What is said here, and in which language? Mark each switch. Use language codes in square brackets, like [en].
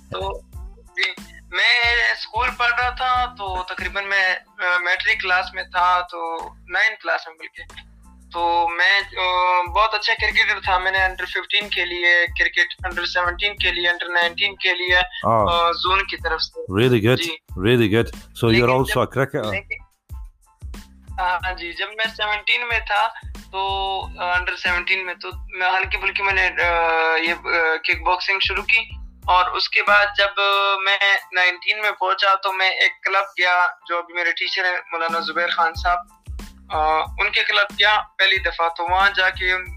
[hi] तो मैं स्कूल पढ़ रहा था, तो तकरीबन मैं मैट्रिक क्लास में था, तो 9th क्लास में बल्कि, तो मैं बहुत अच्छा क्रिकेटर था, मैंने अंडर 15 के लिए क्रिकेट, अंडर 17 के लिए, अंडर 19 के लिए जोन की तरफ से। [en] Really good, really good. So you're also a cricketer. [hi] जी, जब मैं 17 में था, तो अंडर 17 में, तो मैं हल्की फुल्की मैंने ये किक बॉक्सिंग शुरू की, और उसके बाद जब मैं 19 में पहुंचा, तो मैं एक क्लब गया, जो अभी मेरे टीचर है मौलाना जुबैर खान साहब, उनके क्लब गया पहली दफा, तो वहां जाके